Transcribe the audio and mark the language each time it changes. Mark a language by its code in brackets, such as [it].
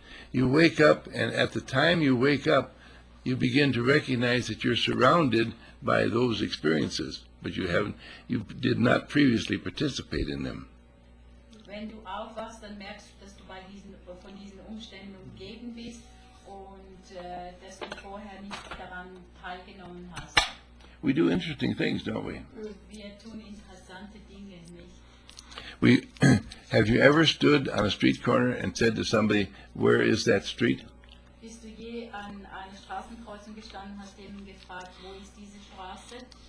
[en] You wake up, and at the time you wake up, you begin to recognize that you're surrounded by those experiences, but you haven't, you did not previously participate in them. [de] Wenn du aufwachst, dann merkst du, dass du bei diesen, von diesen Umständen umgeben bist und dass du vorher nicht daran teilgenommen hast. [en] We do interesting things, don't we? [de] Wir tun interessante Dinge, nicht? [en] We have you ever stood on a street corner and said to somebody, "Where is that street?" [de] Bist du je an einer Straßenkreuzung gestanden, hast jemanden gefragt, wo ist diese Straße?